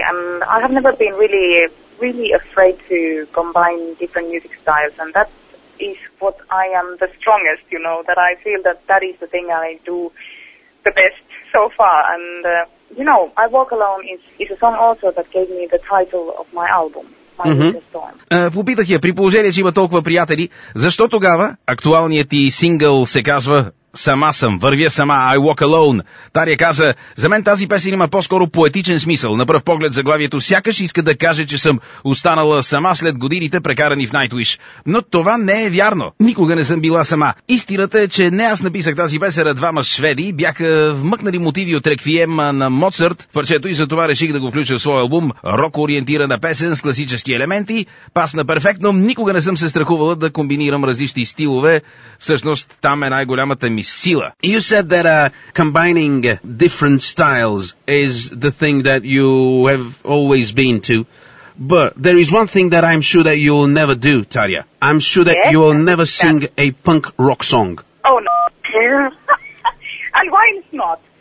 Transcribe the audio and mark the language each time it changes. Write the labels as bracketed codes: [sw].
[en] And I have never been really, really afraid to combine different music styles, and that is what I am the strongest. You know, that I feel that is the thing I do the best so far, and. You know, I Walk Alone is a song also that gave me the title of my album, My Biggest Storm. [bg] Попитах я, при положение, че има толкова приятели, защо тогава актуалният ти сингъл се казва Сама съм, вървя сама, I Walk Alone. Тария каза, за мен тази песен има по-скоро поетичен смисъл. На пръв поглед заглавието сякаш иска да каже, че съм останала сама след годините, прекарани в Nightwish. Но това не е вярно. Никога не съм била сама. Истината е, че не аз написах тази песен, а двама шведи бяха вмъкнали мотиви от Реквием на Моцарт в парчето и затова реших да го включа в своя албум. Рок-ориентирана песен с класически елементи. Пасна перфектно. Никога не съм се страхувала да комбинирам различни стилове. Всъщност там е най-голямата ми ми сила. [en] You said that combining different styles is the thing that you have always been to. But there is one thing that I'm sure that you will never do, Tarja. I'm sure that you will never sing a punk rock song. Oh, no. And why not?